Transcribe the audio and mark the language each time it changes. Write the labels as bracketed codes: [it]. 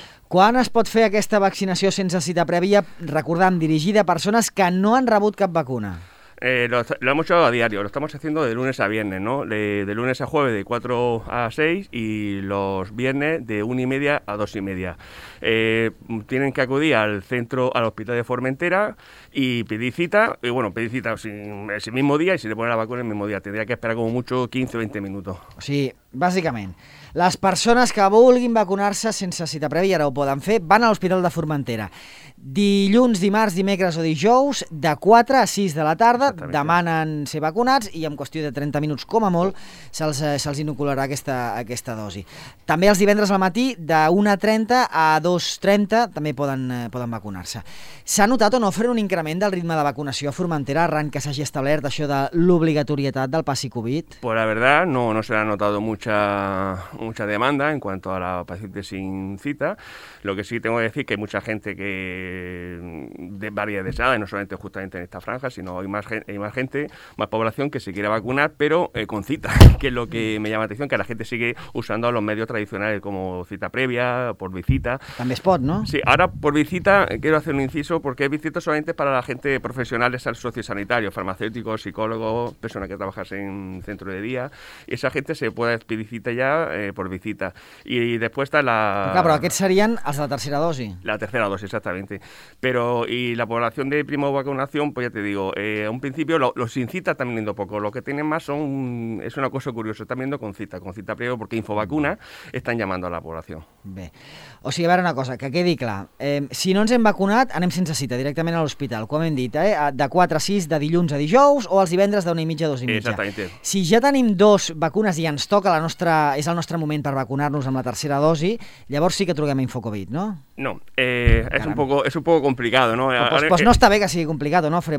[ca] Quan es pot fer aquesta vaccinació sense cita prèvia, recordant, dirigida a persones que no han rebut cap vacuna? [es] Lo hemos hecho a diario, lo estamos haciendo de lunes a viernes, ¿no? De lunes a jueves de 4 a 6 y los viernes de 1 y media a 2 y media. Tienen que acudir al hospital de Formentera y pedir cita ese mismo día, y si le ponen la vacuna el mismo día. Tendría que esperar como mucho 15 o 20 minutos. [ca] Sí, bàsicament, les persones que vulguin vacunar-se sense cita prèvia, ara ho poden fer, van a l'Hospital de Formentera. Dilluns, dimarts, dimecres o dijous, de 4 a 6 de la tarda, demanen ser vacunats i en qüestió de 30 minuts, com a molt, se'ls inocularà aquesta dosi. També els divendres al matí, de 1:30 a 2:30, també poden vacunar-se. S'ha notat o no fer un increment del ritme de vacunació a Formentera arran que s'hagi establert això de l'obligatorietat del passi Covid? [es] Pues la verdad, no se ha notat mucha demanda en cuanto a la paciente sin cita. Lo que sí tengo que decir que hay mucha gente que de varias edades, no solamente justamente en esta franja, sino hay más gente, más población que se quiere vacunar, pero con cita, que es lo que me llama la atención, que la gente sigue usando los medios tradicionales como cita previa, por visita. También spot, ¿no? Sí, ahora por visita quiero hacer un inciso, porque es visita solamente para la gente profesional, es al sociosanitario, farmacéutico, psicólogo, persona que trabaja en centro de día, y esa gente se puede pedir cita ya por visita. Y después está la... [ca] Però aquests serien els de la tercera dosi. [es] La tercera dosi, exactamente. Pero, y la población de primo vacunación, pues ya te digo, a un principio los sin cita están viendo poco. Lo que tienen más es una cosa curiosa, están viendo con cita previo, porque Infovacuna están llamando a la población. [ca] Bé. O sigui, a veure una cosa, que quedi clar. Si no ens hem vacunat, anem sense cita, directament a l'hospital, com hem dit, de 4 a 6, de dilluns a dijous, o els divendres d'una i mitja a dos i mitja. [es] Exactamente. [ca] Si ja tenim dos vacunes i ens toca és el nostre moment per vacunar-nos amb la tercera dosi, llavors sí que truquem a InfoCovid, no? [es] No, es un poco complicado, ¿no? Pues no está bien que sigui complicado, ¿no, Fre?